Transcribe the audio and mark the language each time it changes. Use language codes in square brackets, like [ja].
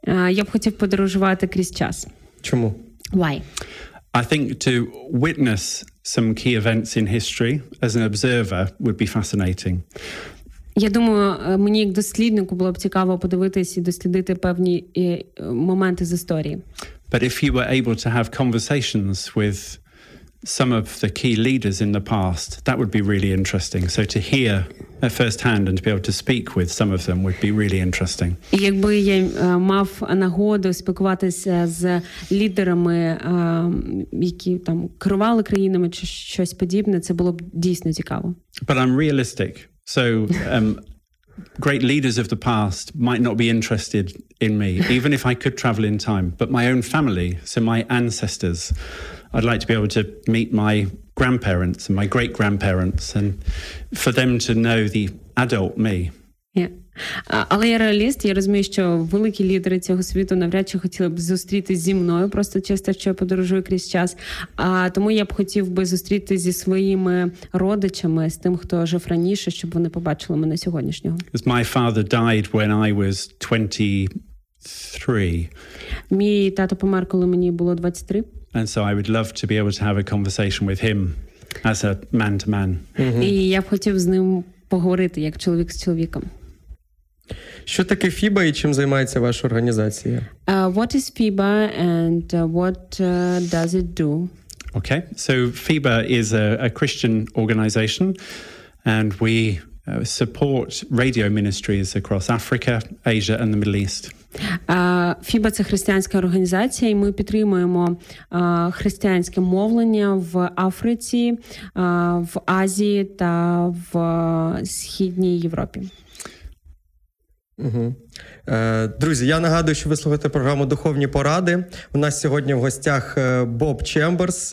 [uk] Я б хотів подорожувати крізь час. Чому? [en] Why? I think to witness some key events in history as an observer would be fascinating. [uk] Я думаю, мені як досліднику було б цікаво подивитись і дослідити певні моменти з історії. [en] But if you were able to have conversations with some of the key leaders in the past, that would be really interesting. So to hear at first hand and to be able to speak with some of them would be really interesting. [uk] Якби я мав нагоду спілкуватися з лідерами, які там керували країнами чи щось подібне, це було б дійсно цікаво. [en] But I'm realistic. So great leaders of the past might not be interested in me, even if I could travel in time. But my own family, so my ancestors, I'd like to be able to meet my grandparents and my great-grandparents and for them to know the adult me. Yeah. [uk] Але я реаліст, я розумію, що великі лідери цього світу навряд чи хотіли б зустріти зі мною, просто через те, що я подорожую крізь час. Тому я б хотів би зустріти зі своїми родичами, з тим, хто жив раніше, щоб вони побачили мене сьогоднішнього. [en] Because my father died when I was 23. [uk] Мій тато помер, коли мені було 23. [en] And so I would love to be able to have a conversation with him as a man to man. [uk] І я б хотів з ним поговорити як чоловік з чоловіком. Що таке FIBA і чим займається ваша організація? [en] What is FIBA and what does it do? Okay. So FIBA is a Christian organization and we support radio ministries across Africa, Asia and the Middle East. [uk] FIBA – це християнська організація, і ми підтримуємо християнське мовлення в Африці, в Азії та в Східній Європі. Друзі, я нагадую, що ви слухаєте програму «Духовні поради». У нас сьогодні в гостях Боб Чемберс.